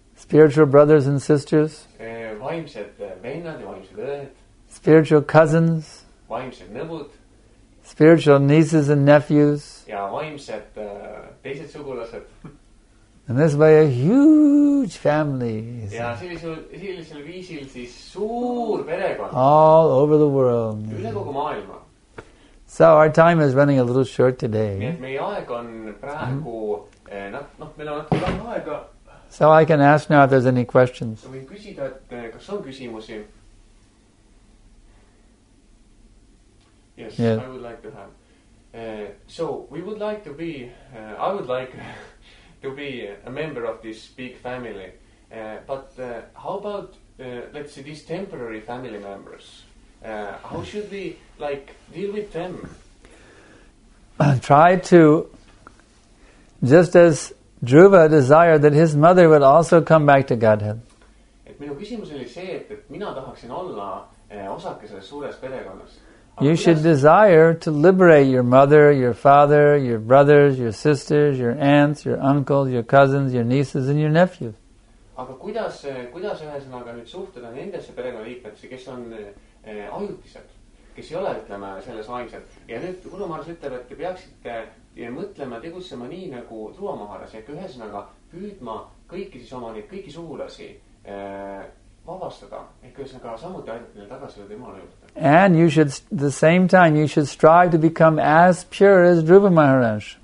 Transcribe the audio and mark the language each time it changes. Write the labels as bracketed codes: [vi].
[en] Spiritual brothers and sisters. [et] Vaimsed vennad ja vaimsed õed. [en] Spiritual cousins. [et] Vaimsed nõbud. [en] Spiritual nieces and nephews. [et] Ja vaimsed teised sugulased. [en] And this way a huge family. Is [et] ja sellisel viisil siis suur perekond. [en] All over the world. [et] Üle kogu maailma. [en] So our time is running a little short today. [et] Meie aeg on praegu, meil on natuke vähem aega. [en] So I can ask now if there's any questions. [et] Võin küsida, et kas on küsimusi? [en] Yes, I would like to have. So we would like to be, I would like to be a member of this big family. But how about, let's say, these temporary family members? How should we, deal with them? Try to, just as Dhruva desired that his mother would also come back to Godhead. [et] Et minu küsimus oli see, et mina tahaksin olla osake selles suures perekonnas. [en] You should desire to liberate your mother, your father, your brothers, your sisters, your aunts, your uncles, your cousins, your nieces and your nephews. [et] Aga kuidas ühesõnaga nüüd suhtuda nendesse perekonnaliikmetesse, kes on ajutised, kes ei ole, ütleme, selles vaimsed. Ja nüüd Urumaras ütleb, et te peaksite mõtlema, tegutsema nii nagu Dhruva Maharas, ehk ühesõnaga püüdma kõiki siis oma neid kõiki sugulasi vabastada, ehk ühesõnaga samuti aidata neil tagasi temale juurde. [en] And you should, the same time, you should strive to become as pure as Dhruva Maharaj.